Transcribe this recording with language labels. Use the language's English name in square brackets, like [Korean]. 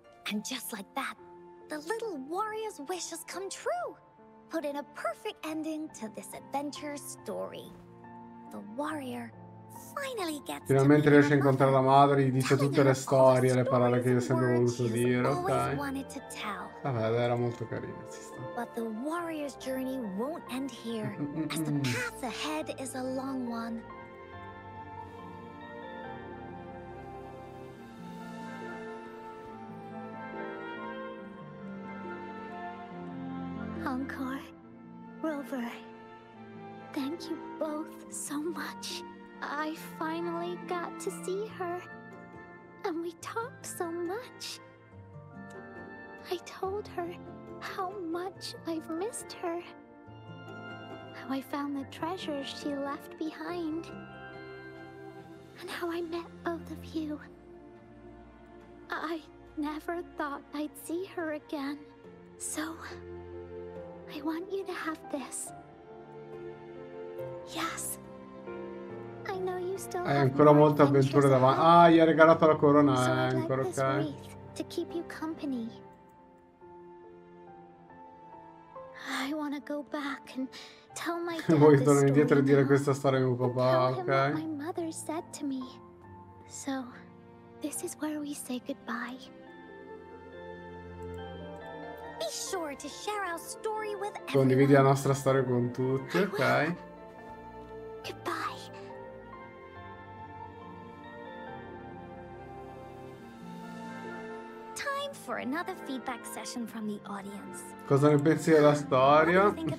[English] And just like that, the little warrior's wish has come true. Put in a perfect ending to this adventure story. The warrior finally gets [Italian] finalmente [English] to [Italian] riesce a incontrare la madre, gli dice tutte le storie, le parole che io sempre voluto dire, ok? Vabbè, era molto carino, ci sta. [English] But the warrior's journey won't end here, as the path ahead is a long one. Encore, Rover, thank you both so much. I finally got to see her, and we talked so much. I told her how much I've missed her, how I found the treasures she left behind, and how I met both of you. I never thought I'd see her again, so... I want you to have this. Yes. I know you still [Italian] hai ancora molte avventure davanti. Ah, gli ha regalato la corona, [English] so [Italian] ancora [English] like okay. To keep you company. I wanna go back and tell my dad. [Italian] Voglio tornare indietro e dire questa storia mio papà, ok? [English] My mother said to me. So, this is where we say goodbye. Be sure to share our story with everyone. [Italian] Condividi la nostra storia con tutti, ok? [English] Goodbye. Time for another feedback session from the audience. [Italian] Cosa ne pensi della storia?